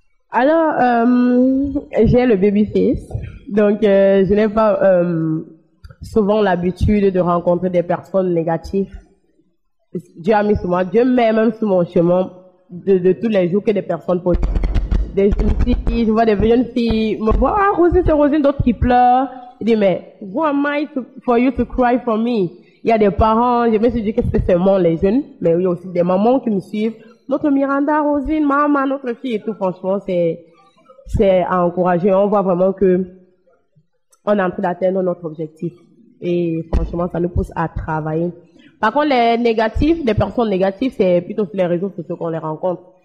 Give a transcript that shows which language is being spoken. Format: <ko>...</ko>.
<fr>Alors, j'ai le babyface, donc je n'ai pas souvent l'habitude de rencontrer des personnes négatives. Dieu met même sur mon chemin de tous les jours que des personnes positives. Des jeunes filles, je vois des jeunes filles me voient, ah, Rosine, c'est Rosine, d'autres qui pleurent. Je dis, mais</fr> <en>who am I for you to cry for me?</en> <fr>Il y a des parents, je me suis dit, qu'est-ce que c'est moi, les jeunes? Mais il y a aussi des mamans qui me suivent. Notre Miranda, Rosine, maman, notre fille et tout, franchement, c'est à encourager. On voit vraiment que on est en train d'atteindre notre objectif. Et franchement, ça nous pousse à travailler. Par contre, les négatifs, les personnes négatives, c'est plutôt sur les réseaux sociaux qu'on les rencontre.</fr>